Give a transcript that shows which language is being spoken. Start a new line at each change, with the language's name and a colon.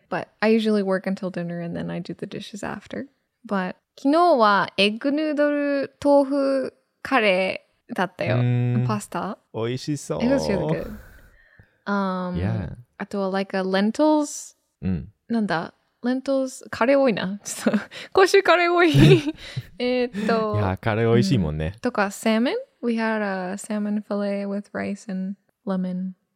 English: But I usually work until dinner and then I do the dishes after. But
Japanese: 昨日は
English: egg noodle tofu curry
Japanese: だったよ.
English: Pasta.
Japanese: 美味しそう.
English: It was really good. Yeah.
Japanese: あと
English: like a lentils.
Japanese: なんだ?Lentils. Curry 多いな. Koshu curry 多い.
English: Yeah,
Japanese: curry 美味しいもんね. とか salmon.
English: We had a salmon fillet with rice and lemon.